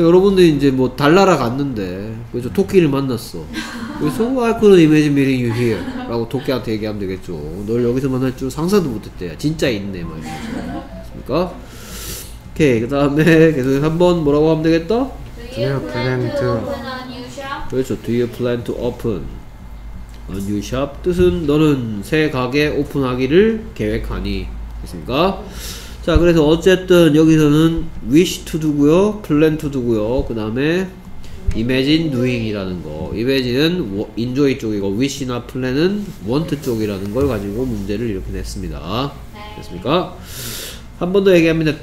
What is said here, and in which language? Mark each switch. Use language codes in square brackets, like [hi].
[ko] 여러분들 이제 뭐 달나라 갔는데 그래서 토끼를 만났어. 그래서 [en] I couldn't imagine meeting you here [ko] 라고 토끼한테 얘기하면 되겠죠. 널 여기서 만날 줄 상상도 못했대. 진짜 있네. 막. 됐습니까? 오케이, 그 다음에 계속 한번 뭐라고 하면 되겠다? [en] Do you plan to open a new shop? [ko] 그렇죠. [en] Do you plan to open a new shop? [ko] 뜻은 너는 새 가게 오픈하기를 계획하니. 됐습니까? 자, 그래서 어쨌든 여기서는 wish to 두고요, plan to 두고요, 그 다음에 imagine doing 이라는 거. imagine은 enjoy 쪽이고 wish나 plan은 want 쪽이라는 걸 가지고 문제를 이렇게 냈습니다. 됐습니까? 한 번 더 얘기합니다.